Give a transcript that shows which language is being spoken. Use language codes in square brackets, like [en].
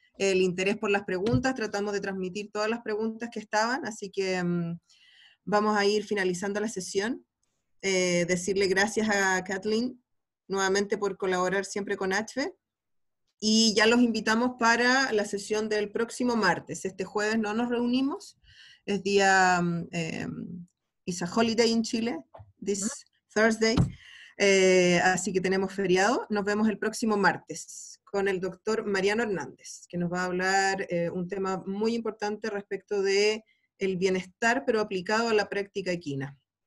[es] El interés por las preguntas, tratamos de transmitir todas las preguntas que estaban, así que vamos a ir finalizando la sesión. Decirle gracias a Kathleen nuevamente por colaborar siempre con HV. Y ya los invitamos para la sesión del próximo martes. Este jueves no nos reunimos. Es día, [en] it's a holiday in Chile, this Thursday. [es] Así que tenemos feriado. Nos vemos el próximo martes con el doctor Mariano Hernández, que nos va a hablar un tema muy importante respecto de el bienestar, pero aplicado a la práctica equina.